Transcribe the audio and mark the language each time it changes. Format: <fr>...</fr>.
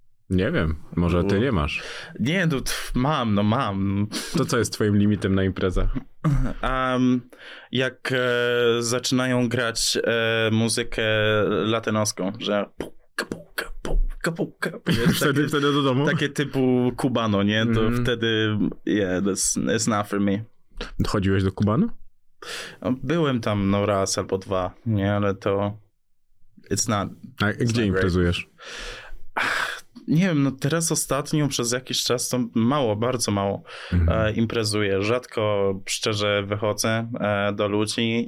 <pl>Nie wiem, może ty nie masz. Nie, no mam. To co jest twoim limitem na imprezach? Jak zaczynają grać muzykę latynoską, że puka, wtedy do domu? Takie typu Cubano, nie? To wtedy,</pl> <en>yeah, that's not for me.</en> <pl>Chodziłeś do Cubano? Byłem tam raz albo dwa, nie? Ale to, gdzie imprezujesz? Nie wiem, no teraz ostatnio przez jakiś czas to bardzo mało imprezuję. Rzadko, szczerze, wychodzę do ludzi.</pl>